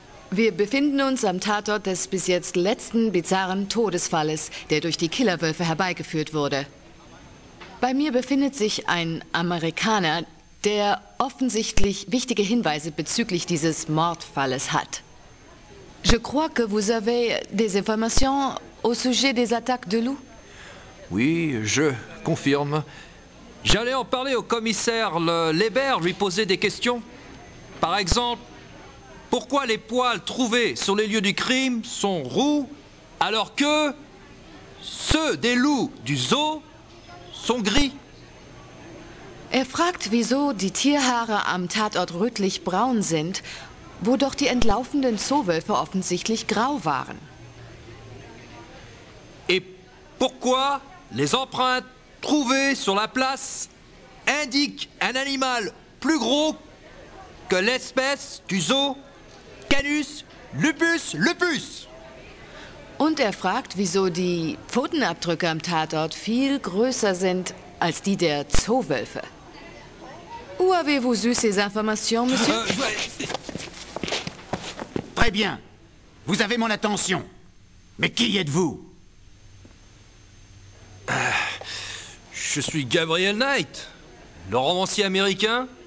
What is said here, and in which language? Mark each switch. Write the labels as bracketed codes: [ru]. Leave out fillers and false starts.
[de] Wir befinden uns am Tatort des bis jetzt letzten bizarren Todesfalles, der durch die Killerwölfe herbeigeführt wurde. Bei mir befindet sich ein Amerikaner, der offensichtlich wichtige Hinweise bezüglich dieses Mordfalles hat. [fr] Je crois que vous avez des informations au sujet des attaques de loups? Oui, je confirme. J'allais en parler au commissaire Lebert, lui poser des questions. Par exemple, pourquoi les poils trouvés sur les lieux du crime sont roux, alors que ceux des loups du zoo sont gris? [de] Er fragt, wieso die Tierhaare am Tatort rötlich braun sind, wo doch die entlaufenden Zoowölfe offensichtlich grau waren. [fr] Et pourquoi les empreintes trouvées sur la place indiquent un animal plus gros que l'espèce du zoo, Canis lupus lupus. [de] Und fragt, wieso die Pfotenabdrücke am Tatort viel größer sind als die der Zoowölfe. [fr] Où avez-vous eu ces informations, monsieur? Très bien. Vous avez mon attention. Mais qui êtes-vous? Je suis Gabriel Knight, le romancier américain.